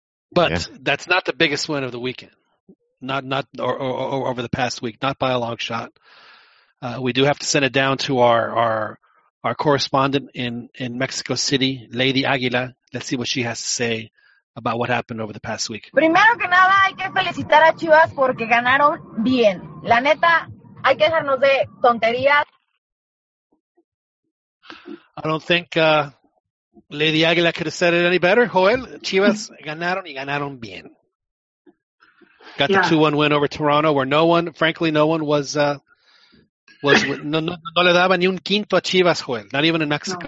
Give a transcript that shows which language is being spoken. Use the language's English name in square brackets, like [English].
[English] But yeah, that's not the biggest win of the weekend. Not over the past week, not by a long shot. We do have to send it down to our correspondent in Mexico City, Lady Aguila. Let's see what she has to say about what happened over the past week. [Spanish] Primero que nada, hay que felicitar a Chivas porque ganaron bien. La neta, hay que dejarnos de tonterías. [English] I don't think Lady Aguila could have said it any better, Joel. Chivas ganaron y ganaron bien. Got the 2-1 win over Toronto, where no one was [Spanish] no le daba ni un quinto a Chivas, [English] Joel. Not even in Mexico.